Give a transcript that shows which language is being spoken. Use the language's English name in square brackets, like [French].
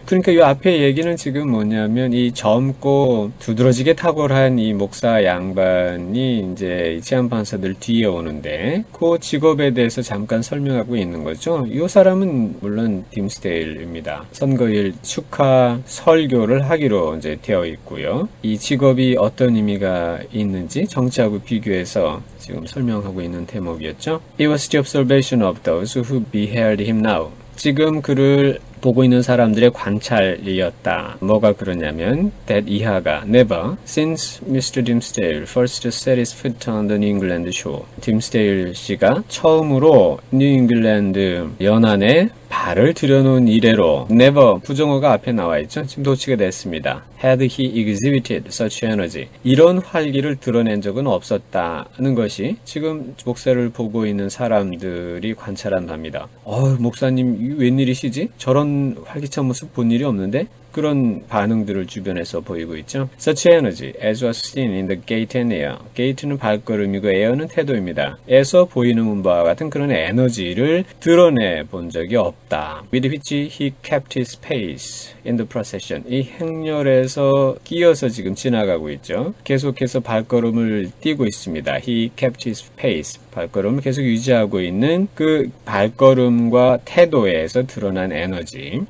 [Korean] 그러니까 이 앞에 얘기는 지금 뭐냐면 이 젊고 두드러지게 탁월한 이 목사 양반이 이제 치안판사들 뒤에 오는데 그 직업에 대해서 잠깐 설명하고 있는 거죠. 이 사람은 물론 딤스데일입니다. 선거일 축하 설교를 하기로 이제 되어 있고요. 이 직업이 어떤 의미가 있는지 정치하고 비교해서 지금 설명하고 있는 대목이었죠. [English] It was the observation of those who beheld him now. [Korean] 지금 그를 보고 있는 사람들의 관찰이었다. 뭐가 그러냐면, [English] that [Korean] 이하가 [English] never since Mr. Dimmesdale first set his foot on the New England shore. [Korean] Dimmesdale 씨가 처음으로 New England 연안에 발을 들여놓은 이래로 never 부정어가 앞에 나와 있죠. 지금 도치가 됐습니다. [English] Had he exhibited such energy? [Korean] 이런 활기를 드러낸 적은 없었다는 것이 지금 목사를 보고 있는 사람들이 관찰한 바입니다. 목사님 웬일이시지? 저런 활기찬 모습 본 일이 없는데? 그런 반응들을 주변에서 보이고 있죠. [English] Such energy as was seen in the gait and air. [Korean] Gait는 발걸음이고 air는 태도입니다. 에서 보이는 음바와 같은 그런 에너지를 드러내 본 적이 없다. [English] With which he kept his pace in the procession. [Korean] 이 행렬에서 끼어서 지금 지나가고 있죠. 계속해서 발걸음을 띄고 있습니다. [English] He kept his pace. [Korean] 발걸음을 계속 유지하고 있는 그 발걸음과 태도에서 드러난 에너지.